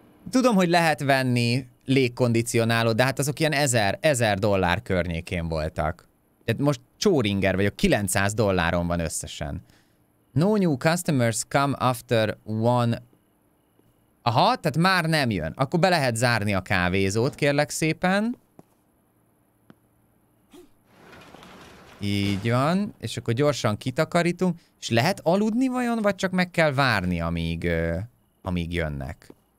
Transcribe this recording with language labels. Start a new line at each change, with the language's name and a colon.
Hungarian: tudom, hogy lehet venni légkondicionálót, de hát azok ilyen $1000 környékén voltak. Most csóringer vagyok, $900 van összesen.
English: No new customers come after one...
Hungarian: Aha, tehát már nem jön. Akkor be lehet zárni a kávézót, kérlek szépen. Így van, és akkor gyorsan kitakarítunk. És lehet aludni vajon, vagy csak meg kell várni, amíg jönnek?